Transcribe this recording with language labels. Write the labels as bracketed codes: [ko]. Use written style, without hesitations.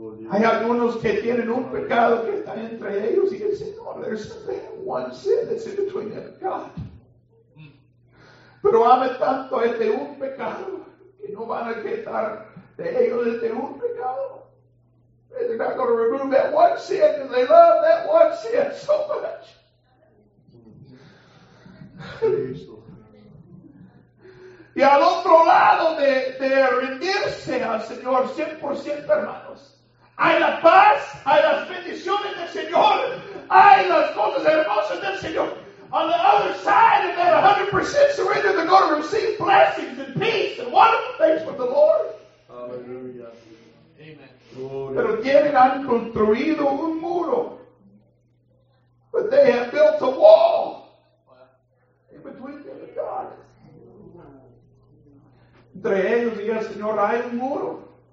[es] Hay algunos que tienen un pecado que está entre ellos y el Señor. [en] There's one sin that's in between them and God. [es] Pero ame tanto este un pecado que no van a quitar de ellos este un pecado. [en] They're not going to remove that one sin because they love that one sin so much. [es] Y al otro lado de rendirse al Señor 100%, hermanos. Hay la paz, hay las bendiciones del Señor, hay las cosas hermosas del Señor. [en] On the other side of that 100% surrender, they're going to receive blessings and peace and wonderful things with the Lord. Hallelujah. Amen. [es] Pero tienen, han construido un muro. [en] But they have built a wall in between them and God. [es] Entre ellos y el Señor hay un muro.